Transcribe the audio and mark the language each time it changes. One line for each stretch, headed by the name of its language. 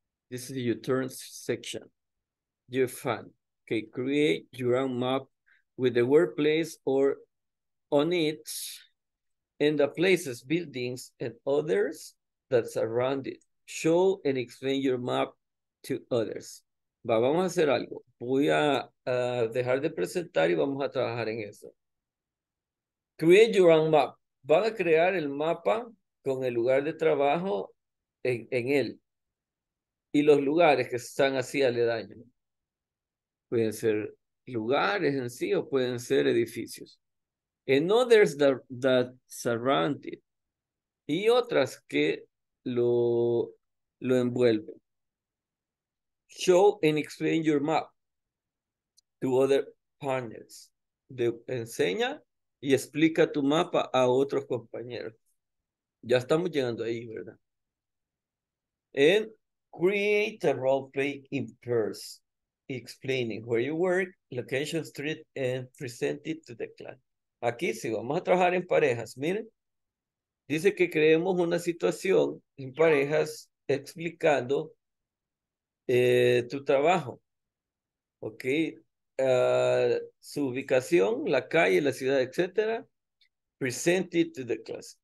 English: This is your turn section. You're fun. Okay, create your own map with the workplace or on it and the places, buildings, and others that's around it. Show and explain your map to others.
Spanish: Va, vamos a hacer algo. Voy a dejar de presentar y vamos a trabajar en eso.
English: Create your own map.
Spanish: Van a crear el mapa con el lugar de trabajo en él y los lugares que están así aledaño. Pueden ser lugares en sí o pueden ser edificios.
English: And others that surround it.
Spanish: Y otras que lo envuelven.
English: Show and explain your map to other partners.
Spanish: Enseña y explica tu mapa a otros compañeros. Ya estamos llegando ahí, ¿verdad?
English: And create a role play in pairs, explaining where you work, location, street, and present it to the client.
Spanish: Aquí sí, vamos a trabajar en parejas. Miren, dice que creemos una situación en parejas explicando tu trabajo. Okay, su ubicación, la calle, la ciudad, etcétera.
English: Present it to the class.